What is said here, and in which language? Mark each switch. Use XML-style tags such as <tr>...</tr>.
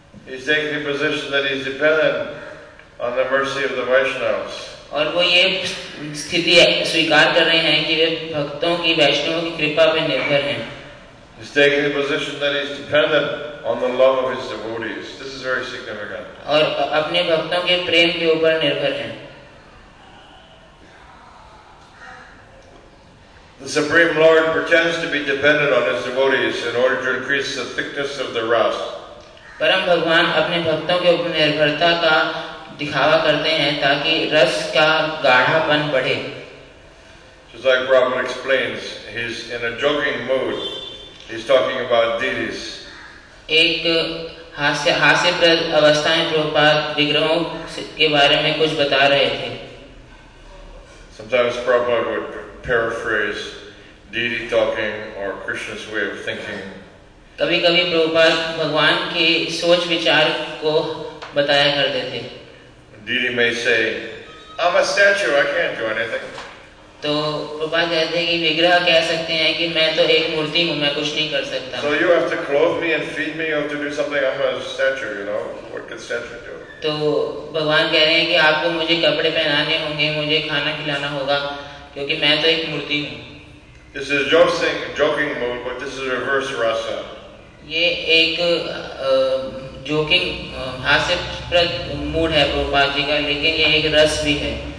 <en>He's taking the position that he's dependent on the mercy of the Vaishnavas.</en> <hi>और वो ये स्थिति स्वीकार कर रहे हैं कि वे भक्तों की वैष्णवों की कृपा पर निर्भर हैं.</hi> <en>He's taking the position that he's dependent on the love of his devotees. This is very significant.</en> <hi>और अपने भक्तों के प्रेम के ऊपर निर्भर हैं.</hi> <en>The Supreme Lord pretends to be dependent on his devotees in order to increase the thickness of the rasa.</en> <hi>परम भगवान अपने भक्तों के ऊपर निर्भरता का दिखावा करते हैं ताकि रस का गाढ़ापन बढ़े.</hi> <en>Just like Brahman explains, he's in a joking mood. He's talking about deities.</en> <hi>एक हास्यप्रद अवस्था में प्रभुपाद विग्रहों के बारे में कुछ बता रहे थे.</hi> <en>Sometimes Prabhupada would paraphrase deity talking or Krishna's way of thinking.</en> <hi>कभी कभी प्रभुपाद भगवान के सोच विचार को बताया करते थे.</hi> <en>Deity may say, I'm a statue, I can't do anything.</en> <hi>तो प्रभुपाद कहते हैं कि विग्रह कह सकते हैं कि मैं तो एक मूर्ति हूँ, मैं कुछ नहीं कर सकता.</hi> <en>So you have to clothe me and feed me, you have to do something. I'm a statue, you know. What can statue do?</en> <hi>तो भगवान कह रहे हैं कि आपको मुझे कपड़े पहनाने होंगे, मुझे खाना खिलाना होगा, क्योंकि मैं तो एक मूर्ति हूँ.</hi> <en>This is joking mode, but this is reverse rasa.</en> <hi>ये एक joking हास्यप्रद मूड है प्रभुपाद जी का, लेकिन ये एक रस भी है.</hi>